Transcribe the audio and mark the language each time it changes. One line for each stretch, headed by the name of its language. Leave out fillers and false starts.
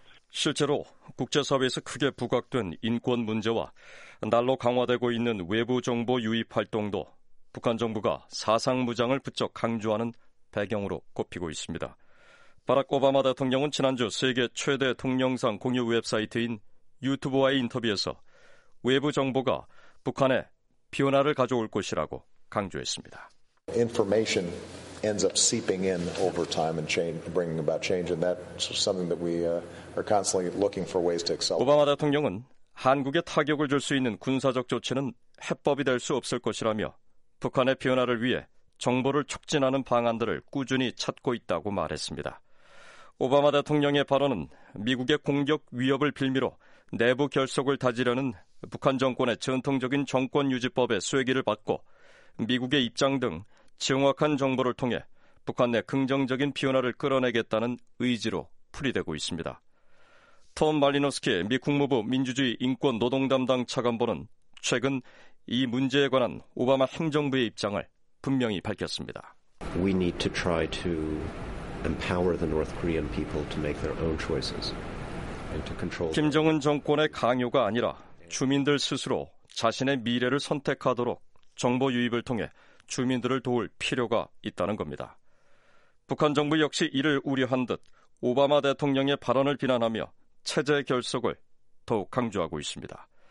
Korean: 실제로 국제사회에서 크게 부각된 인권 문제와 날로 강화되고 있는 외부 정보 유입 활동도 북한 정부가 사상 무장을 부쩍 강조하는 배경으로 꼽히고 있습니다. 바락 오바마 대통령은 지난주 세계 최대 동영상 공유 웹사이트인 유튜브와의 인터뷰에서 외부 정보가 북한에 변화를 가져올 것이라고 강조했습니다.
English: Information ends up seeping in over time and bringing about change, and that's something that we are constantly looking for ways to accelerate.
Korean: 오바마 대통령은 한국에 타격을 줄 수 있는 군사적 조치는 해법이 될 수 없을 것이라며 북한의 변화를 위해 정보를 촉진하는 방안들을 꾸준히 찾고 있다고 말했습니다. 오바마 대통령의 발언은 미국의 공격 위협을 빌미로 내부 결속을 다지려는 북한 정권의 전통적인 정권 유지법의 쐐기를 받고 미국의 입장 등 정확한 정보를 통해 북한 내 긍정적인 변화를 끌어내겠다는 의지로 풀이되고 있습니다. 톰 말리노스키 미 국무부 민주주의 인권 노동 담당 차관보는 최근 이 문제에 관한 오바마 행정부의 입장을 분명히 밝혔습니다.
English: We need to try to empower the North Korean people to make their own choices.
Korean: 김정은 정권의 강요가 아니라 주민들 스스로 자신의 미래를 선택하도록 정보 유입을 통해 주민들을 도울 필요가 있다는 겁니다. 북한 정부 역시 이를 우려한 듯 오바마 대통령의 발언을 비난하며 체제 결속을 더욱 강조하고 있습니다.